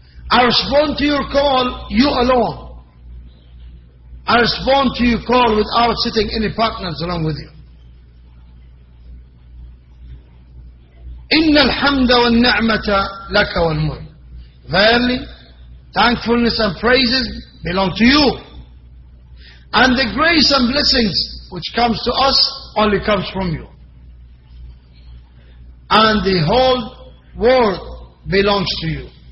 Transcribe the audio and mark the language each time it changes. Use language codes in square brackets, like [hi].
[en] I respond to your call, you alone. I respond to your call without sitting any partners along with you. [ar] إن الحمد والنعمة لك والملك. [en] Verily, thankfulness and praises belong to you. And the grace and blessings which comes to us only comes from you. And the whole world belongs to you.